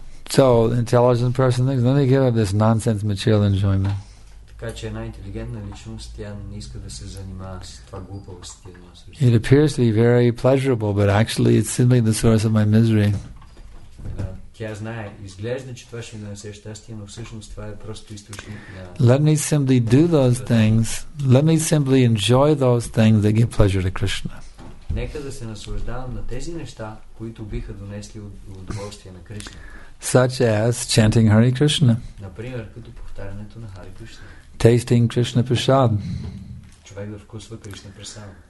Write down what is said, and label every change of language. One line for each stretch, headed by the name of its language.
English: So, intelligent person thinks, let me give up this nonsense material enjoyment.
Bulgarian: Така че една интелигентна личност тя не иска да се занимава с това глупости едно също.
English: It appears to be very pleasurable, but actually it's simply the source of my misery.
Bulgarian: Тя знае, изглежда, че това ще ми донесе щастие, но всъщност това е просто източник на.
English: Let me simply do those things. Let me simply enjoy those things that give pleasure to Krishna.
Bulgarian: Нека да се наслаждавам на тези неща, които биха донесли удоволствие на Кришна.
English: Such as chanting Hare Krishna.
Bulgarian: Например, като повтарянето на Hare Krishna.
English: Tasting Krishna Prasad.
Bulgarian: Човек да вкусва Кришна Прасад.